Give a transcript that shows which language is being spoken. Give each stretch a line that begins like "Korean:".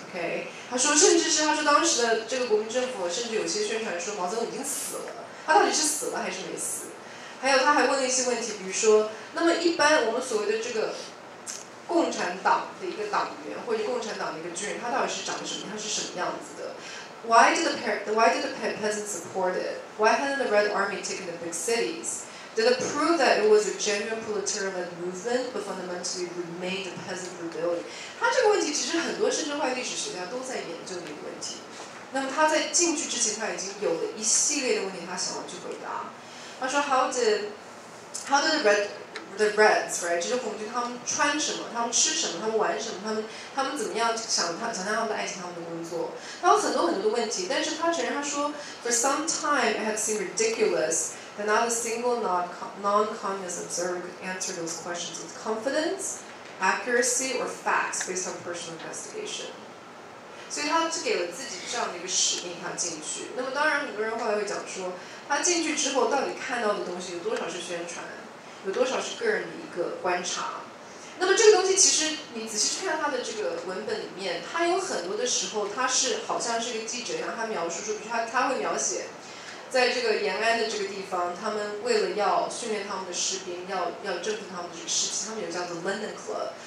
Chinese: Okay, 他说甚至是他说当时的这个国民政府甚至有些宣传说毛泽东已经死了，他到底是死了还是没死？还有他还问了一些问题，比如说那么一般我们所谓的这个共产党的一个党员或者共产党的一个军人，他到底是长什么，他是什么样子的？
English: Why did the peasant support it? Why hadn't the Red Army taken the big cities? Did it prove that it was a genuine proletarian movement but fundamentally remained a peasant rebellion?
Chinese: 他这个问题其实很多甚至外历史学家都在研究的一个问题。那么他在进去之前，他已经有了一系列的问题他想要去回答。他说
English: How did the Reds, right?
Chinese: 这些红军他们穿什么？他们吃什么？他们玩什么？他们怎么样想象他们的爱情、他们的工作？他有很多很多的问题，但是他承认，他说
English: ，For some time, it had seemed ridiculous that not a single non-communist observer could answer those questions with confidence, accuracy, or facts based on personal investigation.
Chinese: 所以他就给了自己这样的一个使命，他进去。那么当然，很多人后来会讲说，他进去之后到底看到的东西有多少是宣传？有多少是个人的一个观察。那么这个东西其实你仔细去看他的这个文本里面，他有很多的时候他是好像是一个记者一样，他描述说，比如 他会描写在这个延安的这个地方，他们为了要训练他们的士兵，要征服他们的这个士气，他们有叫做 London Club。